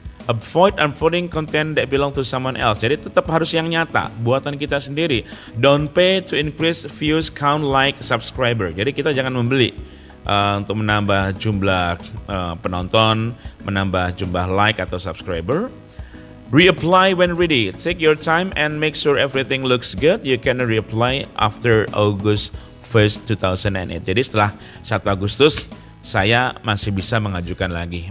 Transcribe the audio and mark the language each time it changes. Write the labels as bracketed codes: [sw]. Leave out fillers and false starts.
[en] Avoid uploading content that belong to someone else. [id] Jadi tetap harus yang nyata, buatan kita sendiri. [en] Don't pay to increase views, count, like, subscriber. [id] Jadi kita jangan membeli untuk menambah jumlah penonton, menambah jumlah like atau subscriber. [en] Reapply when ready. Take your time and make sure everything looks good. You can reapply after August 1st, 2008. [id] Jadi setelah 1 Agustus, saya masih bisa mengajukan lagi.